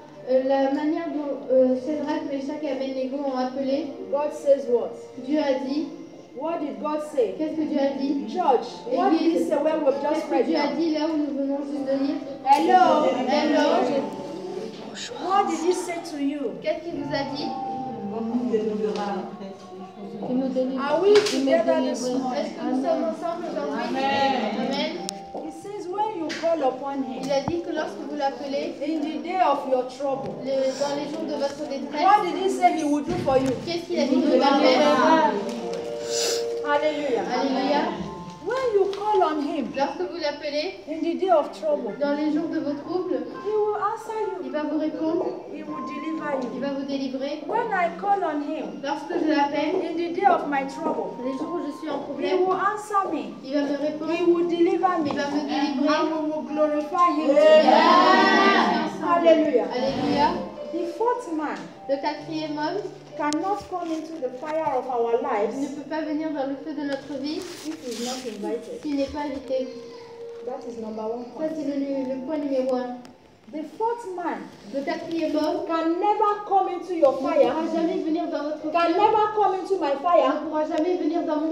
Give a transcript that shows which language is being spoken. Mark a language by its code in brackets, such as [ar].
[fr] La manière dont Shadrach, Meshach et Abednego ont appelé. [en] God says what? [fr] Dieu a dit. [en] What did God say? [fr] Qu'est-ce que Dieu a dit? [en] Church, what did he say when we're just [fr] qu'est-ce que Dieu a dit là où nous venons juste de lire? [en] Hello. Hello. What did he say to you? [fr] Qu'est-ce qu'il vous a dit? Il nous délivrera après. [en] Are we together this morning? [fr] Est-ce que nous sommes ensemble aujourd'hui? [en] Amen. He says when you call upon him. [fr] Il a dit que lorsque vous l'appelez. [en] In the day of your trouble. [fr] Dans les jours de votre détresse. [en] What did he say he would do for you? [fr] Qu'est-ce qu'il a dit qu'il vous faire? [en] Hallelujah. Hallelujah. When you call on him, [fr] lorsque vous l'appelez, [en] in the day of trouble, [fr] dans les jours de vos troubles, [en] he will answer you. [fr] Il va vous répondre. [en] He will deliver you. [fr] Il va vous délivrer. [en] When I call on him, [fr] lorsque je l'appelle, [en] in the day of my trouble, [fr] les jours où je suis en problème, [en] he will answer me. [fr] Il va me répondre. [en] He will deliver me. [fr] Il va me délivrer. [en] And we will glorify him. Yeah. Yeah. Alléluia. The fourth man, [fr] le quatrième homme, [en] cannot come into the fire of our lives. [fr] Ne peut pas venir dans le feu de notre vie. [en] If he is not invited. [fr] S'il n'est pas invité. [en] That is number one. [fr] Ça c'est le point numéro un. [en] The fourth man, [fr] le quatrième homme, [en] can never come into your fire. [fr] Ne pourra jamais venir dans votre feu. [en] Can never come into my fire. [fr] Ne pourra jamais venir dans mon